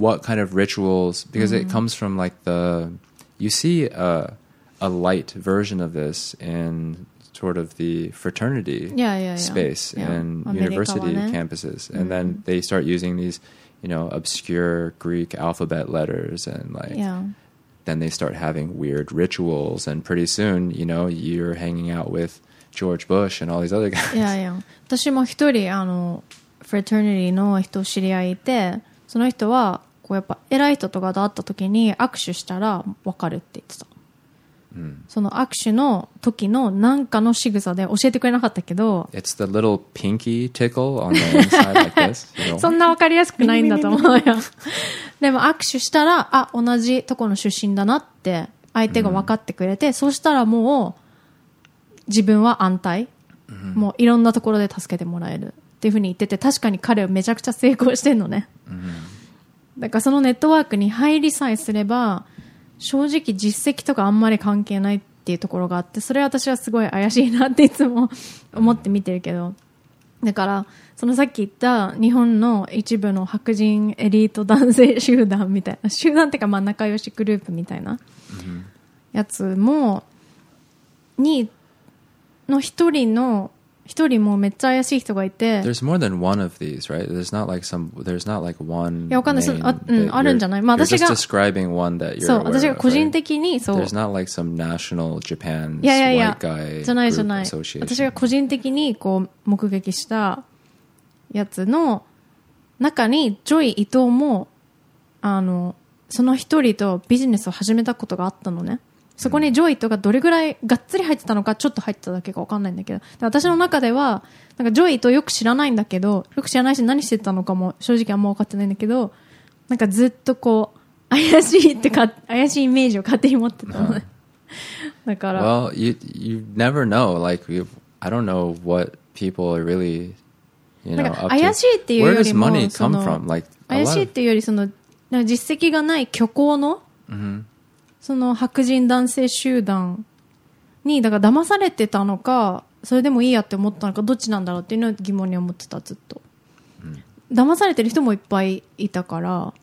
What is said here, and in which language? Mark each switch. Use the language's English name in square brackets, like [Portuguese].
[English] what kind of rituals, because、mm-hmm. it comes from like the, you see a light version of this in sort of the fraternity space yeah. in yeah. university campuses、mm-hmm. and then they start using theseyou know, obscure Greek alphabet letters and like,、 yeah. then they start having weird rituals and pretty soon, you know, you're hanging out with George Bush and all these other guys. Yeah, yeah. [Japanese] 私も一人、あの、フラテルニティの人を知り合いいて、その人は、こうやっぱ偉い人とかと会った時に握手したら分かるって言ってた。 Mm. その握手の時の何かの仕草で教えてくれなかったけど、 [English] It's the little pinky tickle on the inside like this, you know? [Japanese] そんな分かりやすくないんだと思うよでも握手したら、あ、同じとこの出身だなって相手が分かってくれて、mm. そしたらもう自分は安泰、 mm. もういろんなところで助けてもらえるっていう風に言ってて、確かに彼はめちゃくちゃ成功してんのね、mm. だからそのネットワークに入りさえすれば正直実績とかあんまり関係ないっていうところがあって、それは私はすごい怪しいなっていつも思って見てるけど、だからそのさっき言った日本の一部の白人エリート男性集団みたいな、集団っていうか、まあ仲良しグループみたいなやつもにの一人の一人もめっちゃ怪しい人がいて、 [English] There's more than one of these, right? There's not like some, there's not like one. [Japanese] いや、わかんない。あ、うん、あるんじゃない。まあ、私が [English] You're just describing one that you're aware [Japanese] of. そう、私が個人的に、そう。 [English] There's not like some national Japan's white guy association. [Japanese] いやいやいや、じゃないじゃない。私が個人的にこう目撃したやつの中にジョイ伊藤も、あの、その一人とビジネスを始めたことがあったのね。そこにジョイとかどれぐらいがっつり入ってたのか、ちょっと入ってただけか分かんないんだけど、で私の中ではなんかジョイとよく知らないんだけど、よく知らないし何してたのかも正直あんま分かってないんだけど、なんかずっとこう怪しいってか怪しいイメージを勝手に持ってたのだから [English] Well, you never know. Like, you, I don't know what people are really, you know, up to. [Japanese] 怪しいっていうよりも、 [English] Where does money come from? Like, [Japanese] 怪しいっていうよりその、なんか実績がない虚構の、 mm-hmm. その白人男性集団にだから騙されてたのか、それでもいいやって思ったのかどっちなんだろうっていうのを疑問に思ってたずっと、うん、騙されてる人もいっぱいいたから